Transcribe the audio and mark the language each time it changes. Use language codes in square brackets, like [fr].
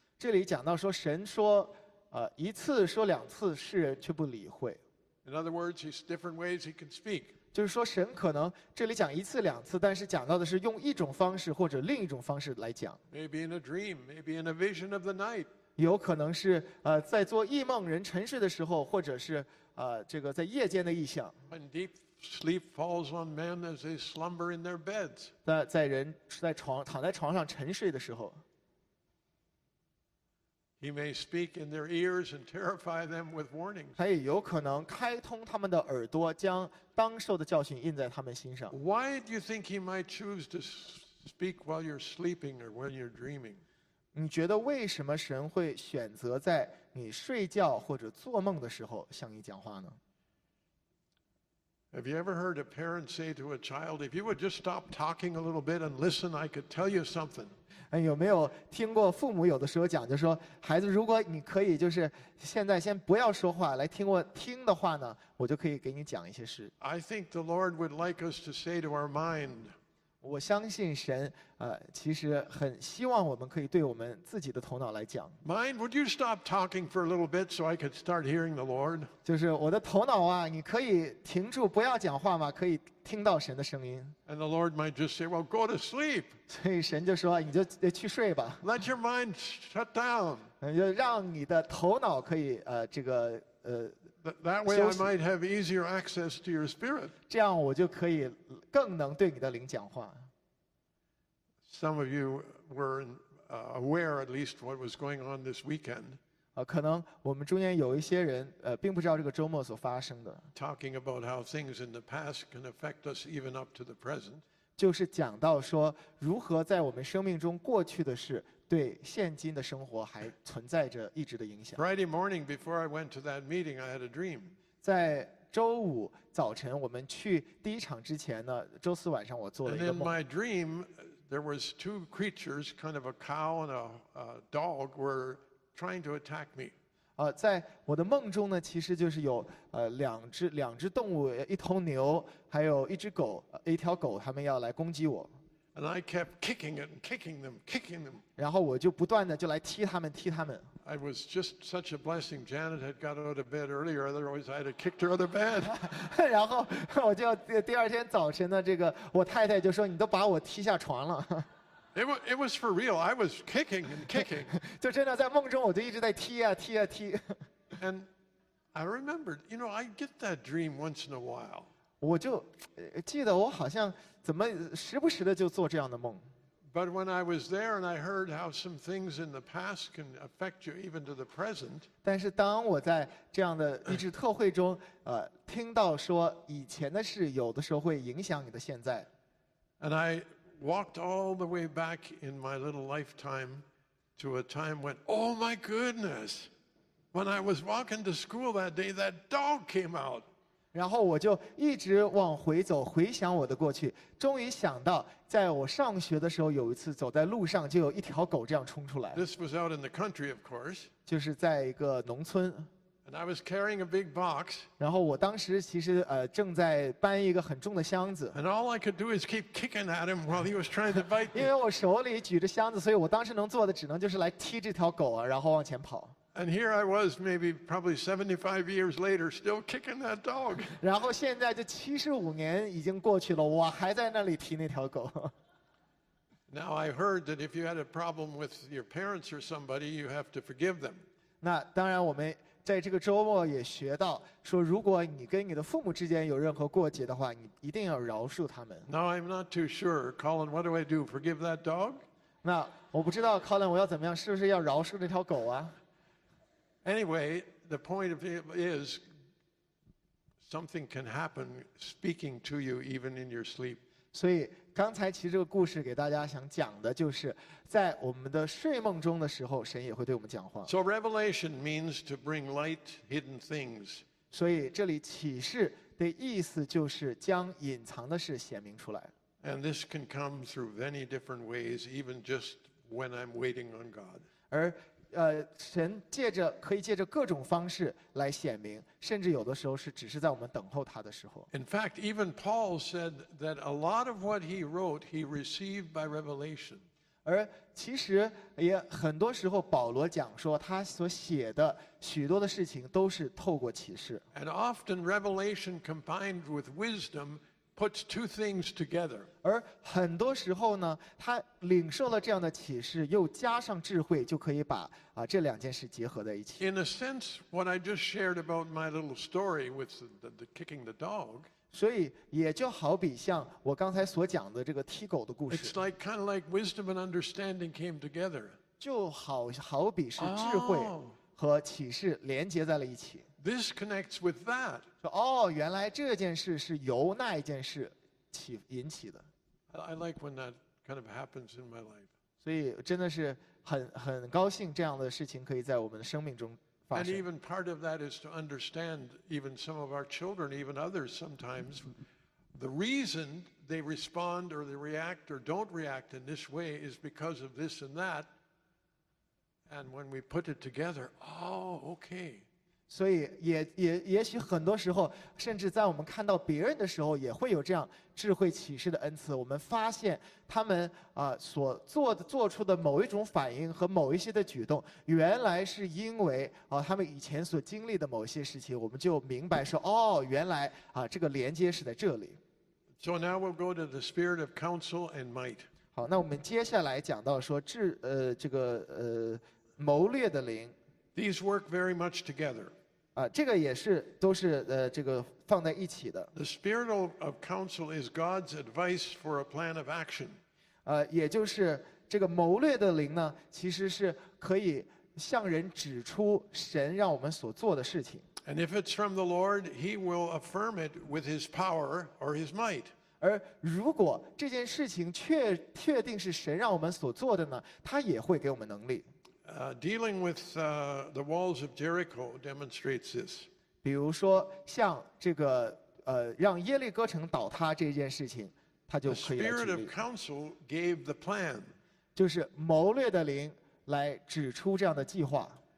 [zh] 这里讲到说，神说，一次说两次，世人却不理会。 [en] In other words, he's different ways he can speak. [zh] 就是说神可能这里讲一次两次，但是讲到的是用一种方式或者另一种方式来讲。 [en] Maybe in a dream, maybe in a vision of the night. [zh] 有可能是在做异梦人沉睡的时候，或者是这个在夜间的异象。 [en] When deep sleep falls on men as they slumber in their beds. [zh] 在人在床躺在床上沉睡的时候。 [en] He may speak in their ears and terrify them with warnings. [zh] 他也有可能开通他们的耳朵，将当受的教训印在他们心上。 [en] Why do you think he might choose to speak while you're sleeping or when you're dreaming? [zh] 你觉得为什么神会选择在你睡觉或者做梦的时候向你讲话呢？ [en] Have you ever heard a parent say to a child, if you would just stop talking a little bit and listen, I could tell you something? [zh] 有没有听过父母有的时候讲，就说孩子，如果你可以就是现在先不要说话，来听我听的话呢，我就可以给你讲一些事。 [en] I think the Lord would like us to say to our mind. [zh] 我相信神，其实很希望我们可以对我们自己的头脑来讲。 [en] Mind, would you stop talking for a little bit so I could start hearing the Lord? [zh] 就是我的头脑啊，你可以停住不要讲话吗？可以听到神的声音。 [en] And the Lord might just say, "Well, go to sleep." [zh] 所以神就说，你就去睡吧。 [en] Let your mind shut down. [zh] 就让你的头脑可以这个 [en] That way, I might have easier access to your spirit. [zh] 这样我就可以更能对你的灵讲话。 [en] Some of you were aware, at least, what was going on this weekend. [zh] 可能我们中间有一些人并不知道这个周末所发生的。 [en] Talking about how things in the past can affect us even up to the present. [zh] 就是讲到说如何在我们生命中过去的事对现今的生活还存在着一直的影响。 [en] Friday morning before I went to that meeting, I had a dream. [zh] 在周五早晨我们去第一场之前呢，周四晚上我做了一个梦。 [en] And in my dream, there was two creatures, kind of a cow and a dog, were trying to attack me. [zh] 在我的梦中呢，其实就是有两只动物，一头牛，还有一只狗，一条狗，他们要来攻击我。 [en] And I kept kicking it and kicking them, kicking them. [zh] 然后我就不断的就来踢他们，踢他们。 [en] I was just such a blessing. Janet had got out of bed earlier, otherwise I'd have kicked her out of bed. [zh] 然后我就第二天早晨呢，这个我太太就说：“你都把我踢下床了。 [en] ” It was for real. I was kicking and kicking. [zh] 就真的在梦中，我就一直在踢啊踢啊踢。 [en] And I remembered, you know, I get that dream once in a while. [zh] 我就记得我好像。怎么时不时的就做这样的梦？ [en] But when I was there and I heard how some things in the past can affect you even to the present. [zh] 但是当我在这样的一致特会中，听到说以前的事有的时候会影响你的现在。 [en] And I walked all the way back in my little lifetime to a time when, oh my goodness, when I was walking to school that day, that dog came out. [zh] 然后我就一直往回走，回想我的过去，终于想到，在我上学的时候，有一次走在路上，就有一条狗这样冲出来。 [en] This was out in the country, of course. [zh] 就是在一个农村。 [en] And I was carrying a big box. [zh] 然后我当时其实正在搬一个很重的箱子。 [en] And all I could do is keep kicking at him while he was trying to bite me. [zh] 因为我手里举着箱子，所以我当时能做的只能就是来踢这条狗啊，然后往前跑。 [en] And here I was, maybe probably 75 years later, still kicking that dog. [zh] 然后现在这七十五年已经过去了，我还在那里踢那条狗。 [en] Now I heard that if you had a problem with your parents or somebody, you have to forgive them. [zh] 那当然，我们在这个周末也学到说，如果你跟你的父母之间有任何过节的话，你一定要饶恕他们。 [en] Now I'm not too sure, Colin. What do I do? Forgive that dog? [zh] 那我不知道 ，Colin， 我要怎么样？是不是要饶恕那条狗啊？ [en] Anyway, the point of it is something can happen speaking to you even in your sleep. [zh] 所以刚才其实这个故事给大家想讲的就是在我们的睡梦中的时候神也会对我们讲话。 [en] So revelation means to bring light hidden things. [zh] 所以这里启示的意思就是将隐藏的事显明出来。 [en] And this can come through many different ways even just when I'm waiting on God. [zh] 而神借着可以借着各种方式来显明，甚至有的时候是只是在我们等候他的时候。 [en] In fact, even Paul said that a lot of what he wrote he received by revelation. [zh] 而其实也很多时候保罗讲说他所写的许多的事情都是透过启示。 [en] And often revelation combined with wisdom. Puts two things together. [zh] 而很多时候呢，他领受了这样的启示，又加上智慧，就可以把这两件事结合在一起。 [en] In a sense, what I just shared about my little story with the kicking the dog. [zh] 所以也就好比像我刚才所讲的这个踢狗的故事。 [en] It's like kind of like wisdom and understanding came together. [zh] 就好比是智慧和启示连接在了一起。 [en] This connects with that. [zh] 说哦，原来这件事是由那一件事引起的。 [en] I like when that kind of happens in my life. [zh] 所以真的是很高兴这样的事情可以在我们的生命中 [en] And even part of that is to understand even some of our children, even others sometimes, the reason they respond or they react or don't react in this way is because of this and that. And when we put it together, oh, okay. [zh] 所以也许很多时候，甚至在我们看到别人的时候，也会有这样智慧启示的恩赐。我们发现他们啊所做出的某一种反应和某一些的举动，原来是因为啊他们以前所经历的某些事情。我们就明白说，哦，原来啊这个连接是在这里。 [en] So now we'll go to the spirit of counsel and might. [zh] 好，那我们接下来讲到说智这个谋略的灵。 [en] These work very much together. [zh] 啊，这个也是都是这个放在一起的。 [en] The spirit of counsel is God's advice for a plan of action. [zh] 也就是这个谋略的灵呢，其实是可以向人指出神让我们所做的事情。 [en] And if it's from the Lord, He will affirm it with His power or His might. [zh] 而如果这件事情确定是神让我们所做的呢，他也会给我们能力。 [en] Dealing with the walls of Jericho demonstrates this. [zh] 比如说像这个让耶利哥城倒塌这件事情，他就可以来举例。 [en] The spirit of counsel gave the plan. [zh] 就是谋略的灵来指出这样的计划。